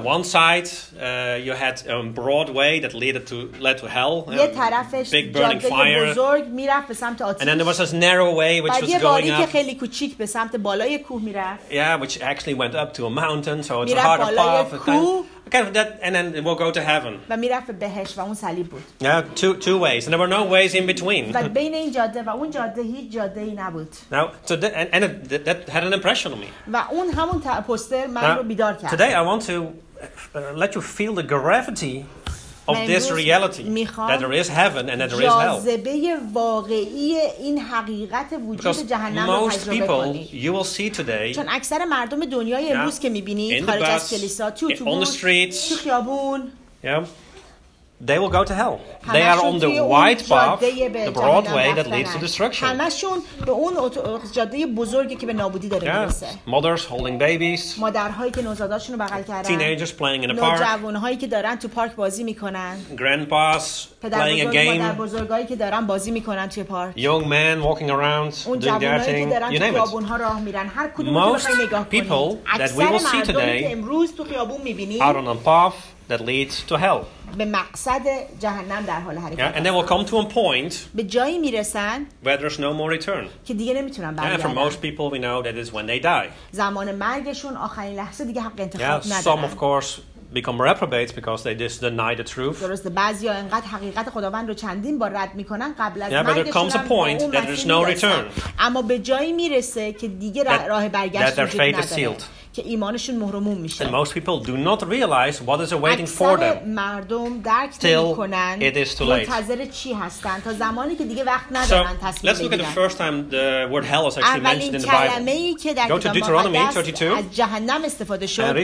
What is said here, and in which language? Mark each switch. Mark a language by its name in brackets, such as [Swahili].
[English] Yeah, one side you had a broad way that led to hell. [Persian] یه طرفش [English] big burning fire. [Persian] بزرگ می‌رفت به سمت آتش. [English] And then there was this narrow way which was going up. [Persian] که خیلی کوچیک به سمت بالای کوه می‌رفت. [English] Yeah, which actually went up to a mountain, so it's a harder path. Kind of that, and then it will go to heaven. [Persian] و میرفت به بهشت و اون صلیب بود. [English] Yeah, two ways, and there were no ways in between. [Persian] و بین این جاده و اون جاده هیچ جاده ای نبود. [English] Now, so that had an impression on me. [Persian] و اون همون پوستر من رو بیدار کرد. [English] Today, I want to let you feel the gravity of this reality, that there is heaven and that there is hell. [Persian] جاذبه واقعی این حقیقت وجود جهنم رو تجربه کنید. [English] Because most people you will see today, [Persian] چون اکثر مردم دنیای امروز که می‌بینید خارج از کلیسا تو اتوبوس [English] on the streets, [Persian] تو خیابون, [English] yeah, they will go to hell. They are on the wide path, the broad way that leads to destruction. [Persian] همشون به اون جاده بزرگی که به نابودی داره میرسه. [English] Mothers holding babies. [Persian] مادرهایی که نوزاداشون رو بغل کردن. [English] Teenagers playing in a park. [Persian] نوجوانهایی که دارن تو پارک بازی میکنن. [English] Grandpas playing a game. [Persian] پدر بزرگایی که دارن بازی میکنن توی پارک. [English] Young men walking around doing their thing. [Persian] اون جوانهایی که دارن تو خیابون راه میرن. هر کدوم رو نگاه کنید. [English] Most people that we will see today are on a path that leads to hell. [Persian] به مقصد جهنم در حال حرکت. [English] Yeah, and they will come to a point [Persian] به جایی میرسن [English] where there's no more return. [Persian] که دیگه نمیتونن برگردن. [English] Yeah, for most people we know that is when they die. [Persian] زمان مرگشون آخرین لحظه دیگه حق انتخاب ندارن. [English] Yeah, some of course become reprobates because they just deny the truth. [Persian] درست بعضیا اینقدر حقیقت خداوند رو چندین بار رد میکنن قبل از مرگشون. [English] There comes a point that there's no return. [Persian] اما به جایی میرسه که دیگه راه برگشتی نداره. که ایمانشون مهرموم میشه. [English] And most people do not realize what is awaiting for them. [Persian] اکثر مردم درک نمیکنن. [English] It is too late. [Persian] منتظر چی هستن تا زمانی که دیگه وقت ندارن تصمیم بگیرن. [English] So let's look at the first time the word hell is actually mentioned in the Bible. [Persian] اولین کلمه‌ای که در کتاب مقدس از جهنم استفاده شد.